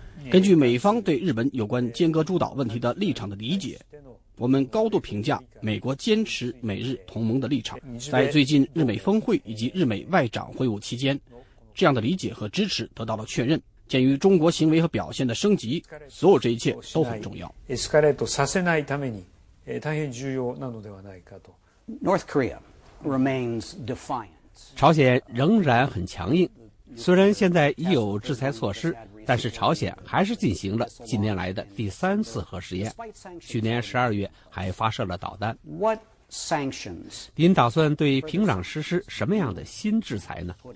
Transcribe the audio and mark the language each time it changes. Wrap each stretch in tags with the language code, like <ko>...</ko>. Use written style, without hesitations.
<zh>根据美方对日本有关尖阁诸岛问题的立场的理解，我们高度评价美国坚持美日同盟的立场。在最近日美峰会以及日美外长会晤期间，这样的理解和支持得到了确认。鉴于中国行为和表现的升级，所有这一切都很重要。</zh> <ja>エスカレートさせないために大変重要なのではないかと。</ja> <en>North Korea remains defiant。</en> <zh>朝鲜仍然很强硬。虽然现在已有制裁措施，但是朝鲜还是进行了近年来的第三次核试验，去年12月还发射了导弹。您打算对平壤实施什么样的新制裁呢？</zh>